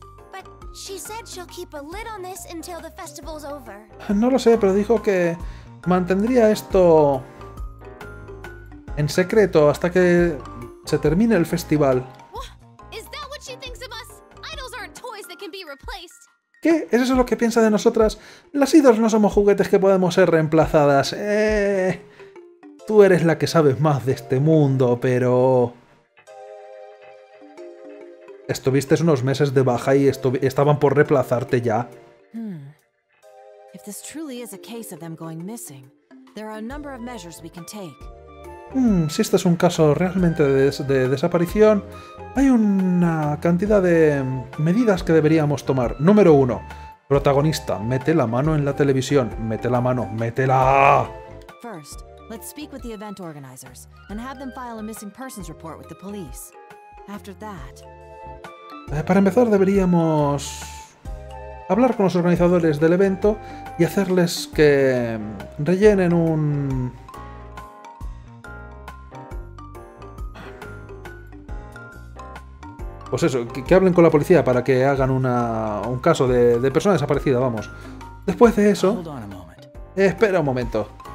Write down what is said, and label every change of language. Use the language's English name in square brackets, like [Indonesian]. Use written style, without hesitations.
[English] But she said she'll keep a lid on this until the festival's over. [Spanish] No lo sé, pero dijo que mantendría esto en secreto hasta que se termine el festival. [English] Is that what she thinks of us? Idols aren't toys that can be replaced. [Spanish] ¿Qué? ¿Es eso lo que piensa de nosotras? Las idols no somos juguetes que podemos ser reemplazadas. Tú eres la que sabes más de este mundo, pero... Estuviste unos meses de baja y estaban por reemplazarte ya. [English] If this truly is a case of them going missing, there are a number of measures we can take. [Spanish] Si este es un caso realmente de desaparición, hay una cantidad de medidas que deberíamos tomar. Número 1. Protagonista, mete la mano en la televisión. Mete la mano, métela. [English] First. Let's speak with the event organizers and have them file a missing persons report with the police. After that, [Spanish] Para empezar, deberíamos hablar con los organizadores del evento y hacerles que rellenen un... Pues eso, que hablen con la policía para que hagan un caso de persona desaparecida, vamos. Después de eso... espera un momento.